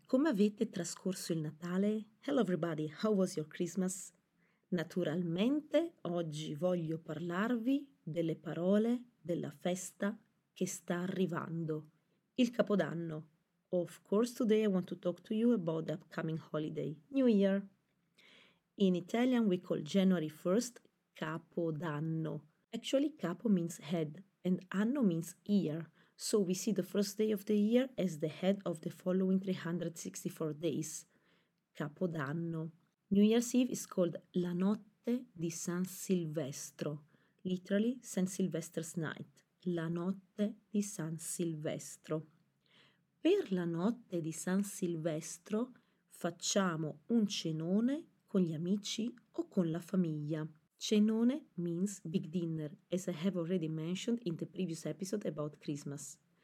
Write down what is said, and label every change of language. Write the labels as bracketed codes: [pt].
[it] Come avete trascorso il Natale? [en] Hello everybody, how was your Christmas? [it] Naturalmente, oggi voglio parlarvi delle parole della festa che sta arrivando. Il Capodanno. [en] Of course, today I want to talk to you about the upcoming holiday, New Year. In Italian we call January 1st Capodanno. Actually, capo means head and anno means year. So we see the first day of the year as the head of the following 364 days. Capodanno. New Year's Eve is called La Notte di San Silvestro. Literally, San Silvestro's Night. [it] La Notte di San Silvestro. Per la Notte di San Silvestro facciamo un cenone con gli amici o con la famiglia. [en] Cenone means big dinner, as I have already mentioned in the previous episode about Christmas.